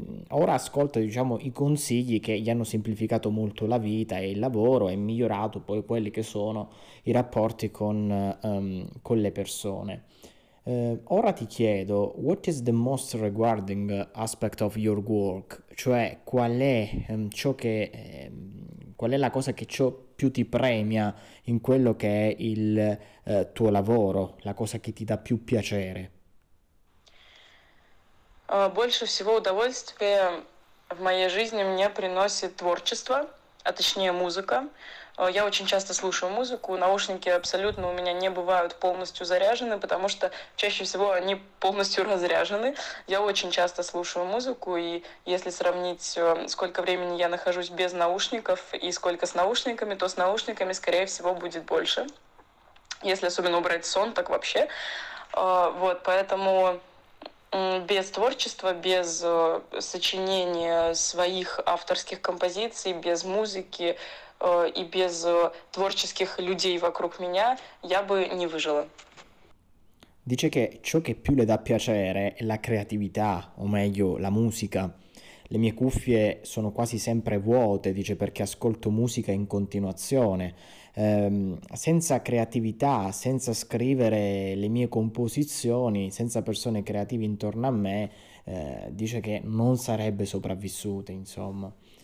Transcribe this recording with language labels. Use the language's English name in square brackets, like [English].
[Italian] Ora ascolta, diciamo, i consigli che gli hanno semplificato molto la vita e il lavoro e migliorato poi quelli che sono i rapporti con le persone. Ora ti chiedo, [English] what is the most rewarding aspect of your work? [Italian] Cioè, qual è la cosa che ciò più ti premia in quello che è il tuo lavoro, la cosa che ti dà più piacere? [Russian] Больше всего удовольствия в моей жизни мне приносит творчество, а точнее музыка. Я очень часто слушаю музыку, наушники абсолютно у меня не бывают полностью заряжены, потому что чаще всего они полностью разряжены. Я очень часто слушаю музыку, и если сравнить, сколько времени я нахожусь без наушников и сколько с наушниками, то с наушниками, скорее всего, будет больше. Если особенно убрать сон, так вообще. Вот, поэтому без творчества, без сочинения своих авторских композиций, без музыки и без творческих людей вокруг меня я бы не выжила. [Italian] Dice che ciò che più le dà piacere è la creatività, o meglio, la musica. Le mie cuffie sono quasi sempre vuote, dice, perché ascolto musica in continuazione. Senza creatività, senza scrivere le mie composizioni, senza persone creative intorno a me, dice che non sarebbe sopravvissuta, insomma.